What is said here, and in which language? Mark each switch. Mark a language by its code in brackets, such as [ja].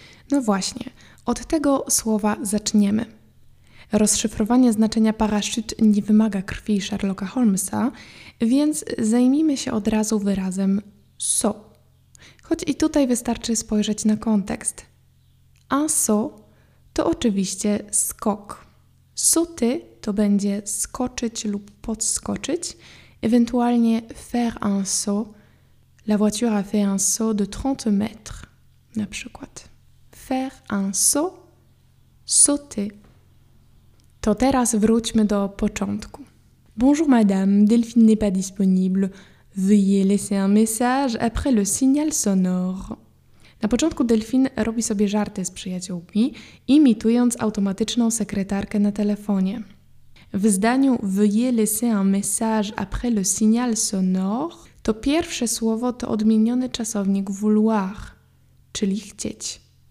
[pl] No właśnie, od tego słowa zaczniemy. Rozszyfrowanie znaczenia parachute nie wymaga krwi Sherlocka Holmesa, więc zajmijmy się od razu wyrazem saut. Choć i tutaj wystarczy spojrzeć na kontekst. Un saut to oczywiście skok. Sauter to będzie skoczyć lub podskoczyć, ewentualnie [fr] faire un saut. La voiture a fait un saut de 30 mètres, [pl] na przykład. [fr] Faire un saut, sauter. [pl] To teraz wróćmy do początku. [fr] Bonjour madame, Delphine n'est pas disponible. Veuillez laisser un message après le signal sonore. [pl] Na początku Delphine robi sobie żarty z przyjaciółmi, imitując automatyczną sekretarkę na telefonie. W zdaniu [fr] veuillez laisser un message après le signal sonore [pl] to pierwsze słowo to odmieniony czasownik vouloir, czyli chcieć.